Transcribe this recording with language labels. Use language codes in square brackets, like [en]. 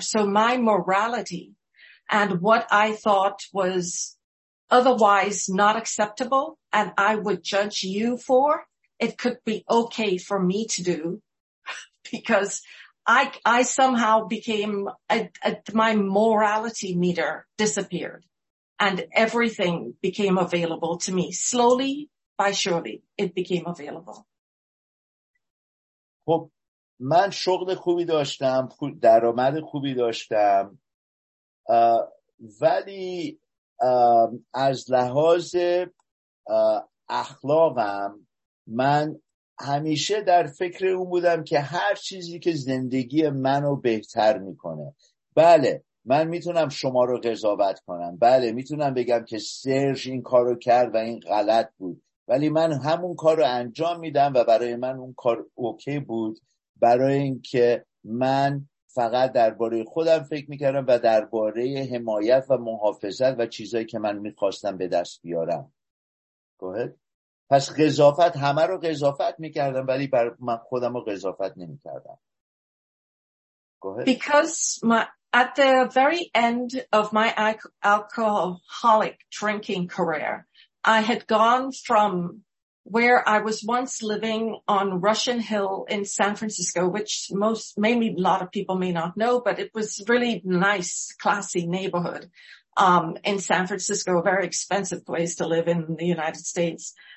[en] So my morality and what I thought was otherwise not acceptable and I would judge you for, it could be okay for me to do because I somehow became, my morality meter disappeared and everything became available to me. Slowly by surely, it became available. [fa] خب من شغل خوبی داشتم، درآمد خوبی داشتم، ولی از لحاظ اخلاقم من همیشه در فکر اون بودم که هر چیزی که زندگی منو بهتر میکنه، بله من میتونم شما رو قضاوت کنم، بله میتونم بگم که سرژ این کار رو کرد و این غلط بود، ولی من همون کار رو انجام میدم و برای من اون کار اوکی بود، برای اینکه من فقط درباره خودم فکر میکردم و درباره حمایت و محافظت و چیزایی که من میخواستم به دست بیارم. پس قضاوت، همه رو قضاوت میکردم ولی برای من خودم رو قضاوت نمیکردم. [en] Because at the very end of my alcoholic drinking career, I had gone from where I was once living on Russian Hill in San Francisco, which most, mainly a lot of people may not know, but it was really nice, classy neighborhood in San Francisco, a very expensive place to live in the United States.